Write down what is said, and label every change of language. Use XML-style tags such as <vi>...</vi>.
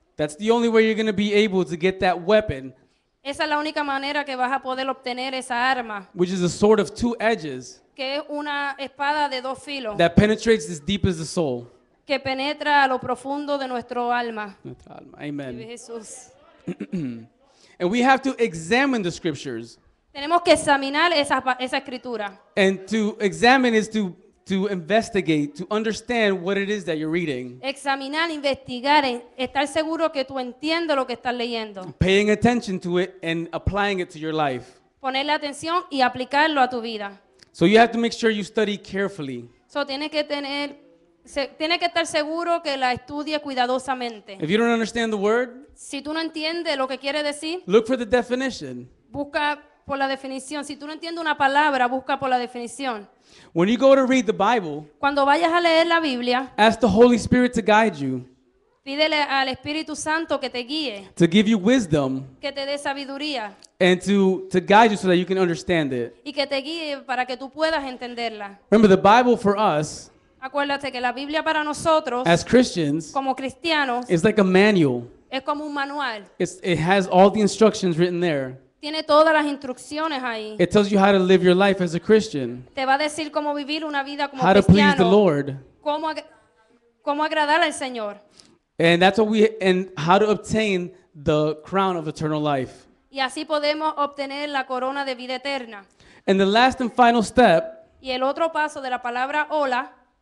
<en>That's the only way you're going to be able to get that weapon.</en> <es>Esa es la única manera que vas a poder obtener esa arma.</es> <en>Which is a sword of two edges.</en> <es>Que es una espada de dos filos.</es> <en>That penetrates as deep as the soul.</en> <es>que penetra a lo profundo de nuestro alma. Nuestra alma. Amen. Vive Jesús.</es> <en>And we have to examine the scriptures.</en> <es>Tenemos que examinar esa escritura.</es> <en>And to examine is to investigate, to understand what it is that you're reading.</en> <es>Examinar, investigar, estar seguro que tú entiendes lo que estás leyendo.</es> <en>Paying attention to it and applying it to your life.</en> <es>Ponerle atención y aplicarlo a tu vida.</es> <en>So you have to make sure you study carefully.</en> <es>So tiene que estar seguro que la estudie cuidadosamente.</es> <en>If you don't understand the word,</en> <es>si tú no entiendes lo que quiere decir,</es> <en>look for the definition.</en> <es>Busca por la definición. Si tú no entiendes una palabra, busca por la definición.</es> <en>When you go to read the Bible,</en> <es>cuando vayas a leer la Biblia,</es> <en>ask the Holy Spirit to guide you.</en> <es>Pídele al Espíritu Santo que te guíe.</es> <en>To give you wisdom.</en> <es>Que te dé sabiduría.</es> <en>And to guide you so that you can understand it.</en> <es>Y que te guíe para que tú puedas entenderla.</es> <en>Remember, the Bible for us,</en> <es>acuérdate que la Biblia para nosotros,</es> <en>as Christians,</en> <es>como cristianos,</es> <en>is like a manual.</en> <es>Es como un manual.</es> <en>It has all the instructions written there.</en> <es>Tiene todas las instrucciones ahí.</es> <en>It tells you how to live your life as a Christian.</en> <es>Te va a decir cómo vivir una vida como</es> <en>how</en> <es>cristiano.</es> <en>To please the Lord.</en> <es>Cómo agradar al Señor.</es> <en>And that's what and how to obtain the crown of eternal life.</en> <es>Y así podemos obtener la corona de vida eterna.</es> <en>And the last and final step.</en> <es>Y el otro paso de la palabra hola.</es>